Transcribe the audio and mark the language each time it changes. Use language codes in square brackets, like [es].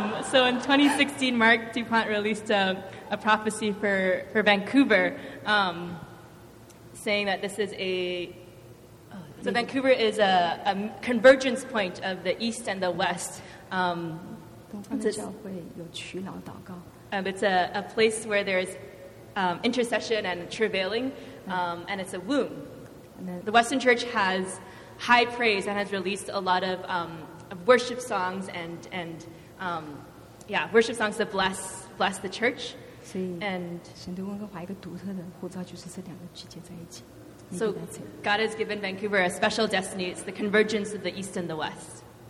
[en] So in 2016, Mark Dupont released a prophecy for Vancouver, saying that this is a so Vancouver is a convergence point of the east and the west. [zh] 东方的教会有渠劳祷告。 [en] It's a place where there's intercession and travailing, and it's a womb. The Western Church has high praise and has released a lot of worship songs and worship songs that bless the church. [zh] 所以神对温哥华一个独特的呼召就是这两个聚集在一起。So [en] God has given Vancouver a special destiny. It's the convergence of the East and the West.